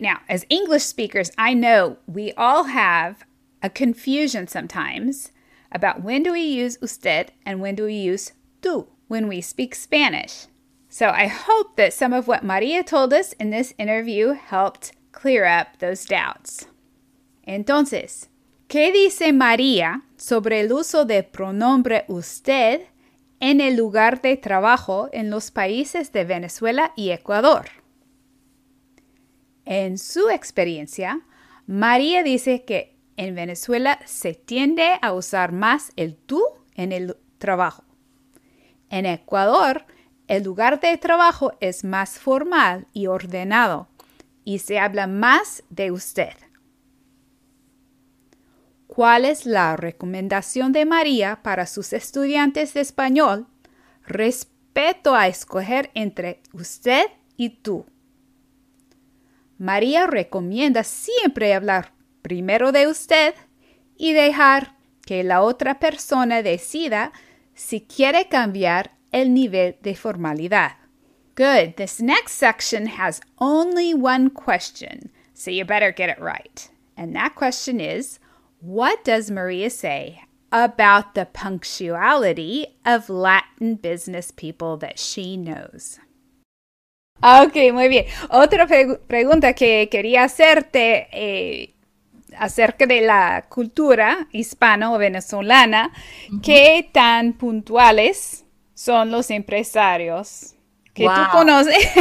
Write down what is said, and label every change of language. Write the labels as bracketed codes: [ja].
[en] Now, as English speakers, I know we all have a confusion sometimes about when do we use usted and when do we use tú when we speak Spanish. So I hope that some of what María told us in this interview helped clear up those doubts. [es] Entonces, ¿qué dice María sobre el uso de pronombre usted en el lugar de trabajo en los países de Venezuela y Ecuador? En su experiencia, María dice que en Venezuela se tiende a usar más el tú en el trabajo. En Ecuador, el lugar de trabajo es más formal y ordenado y se habla más de usted. ¿Cuál es la recomendación de María para sus estudiantes de español respecto a escoger entre usted y tú? María recomienda siempre hablar primero de usted y dejar que la otra persona decida si quiere cambiar el nivel de formalidad. [en] Good. This next section has only one question, so you better get it right. And that question is, what does Maria say about the punctuality of Latin business people that she knows. [es] Okay, muy bien. Otra pregunta que quería hacerte acerca de la cultura hispano-venezolana. Mm-hmm. ¿Qué tan puntuales son los empresarios que wow. tú conoces?